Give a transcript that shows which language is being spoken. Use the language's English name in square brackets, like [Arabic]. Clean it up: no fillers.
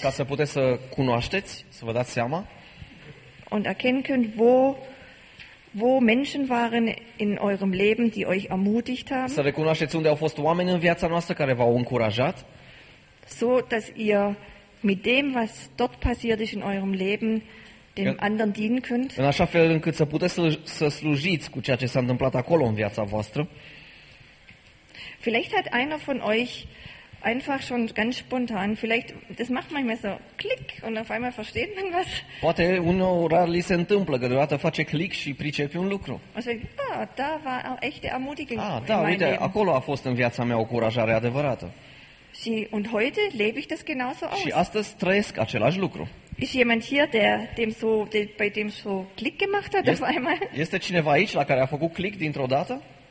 [Romanian] Ca să puteți să cunoașteți, să vă dați seama. [German] Und erkennen könnt, wo Menschen waren in eurem Leben, die euch ermutigt haben. [Romanian] Să recunoașteți unde au fost oameni în viața noastră care v-au încurajat. [German] So, dass ihr mit dem, was dort passiert ist in eurem Leben, dem anderen dienen könnt. [Romanian] În așa fel încât să puteți să slujiți cu ceea ce s-a întâmplat acolo în viața voastră. [German] Vielleicht hat einer von euch einfach schon ganz spontan, vielleicht, das macht manchmal so klick und auf einmal versteht man was. [Romanian] Poate uneori li se întâmplă, că deodată face click și pricepe un lucru. [German] Da, war echte Ermutigung. [Romanian] Da, uite, acolo a fost în viața mea o curajare adevărată. [German] Și und heute lebe ich das genauso aus. [Romanian] Și astăzi trăiesc același lucru. [German] Ist jemand hier, bei dem so click gemacht hat auf einmal? [Romanian] Este cineva aici la care a făcut click dintr-o dată?